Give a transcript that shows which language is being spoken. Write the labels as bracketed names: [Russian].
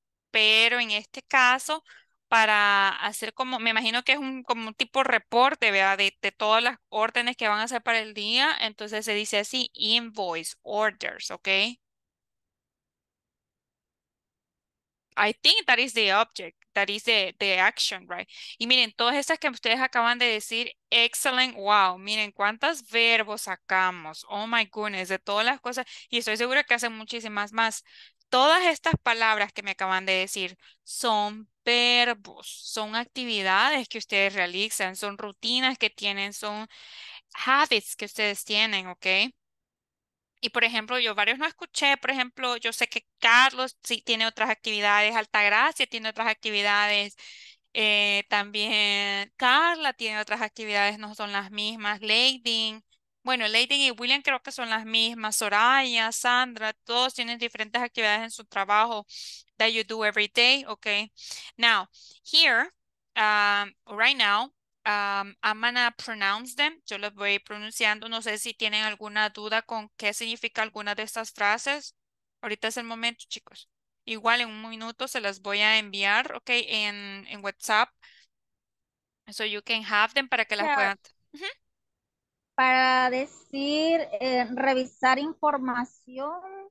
[Spanish] Pero en este caso, para hacer como, me imagino que es un como un tipo reporte, ¿verdad? De todas las órdenes que van a hacer para el día, entonces se dice así, invoice orders, ¿ok? [English] I think that is the object, that is the action, right? [Spanish] Y miren, todas estas que ustedes acaban de decir, excellent, wow, miren cuántos verbos sacamos, [English] oh my goodness, [Spanish] de todas las cosas, y estoy segura que hacen muchísimas más. Todas estas palabras que me acaban de decir son verbos, son actividades que ustedes realizan, son rutinas que tienen, son habits que ustedes tienen, ¿ok? Y, por ejemplo, yo varios no escuché. Por ejemplo, yo sé que Carlos sí tiene otras actividades. Altagracia tiene otras actividades. También Carla tiene otras actividades. No son las mismas. Lady y William creo que son las mismas. Soraya, Sandra, todos tienen diferentes actividades en su trabajo [English] that you do every day, [Spanish] okay? [English] Now, here, right now, I'm gonna pronounce them. [Spanish] Yo los voy pronunciando. No sé si tienen alguna duda con qué significa alguna de estas frases. Ahorita es el momento, chicos. Igual en un minuto se las voy a enviar, ok, en WhatsApp. [English] So you can have them [Spanish] para que las puedan. Para decir, revisar información.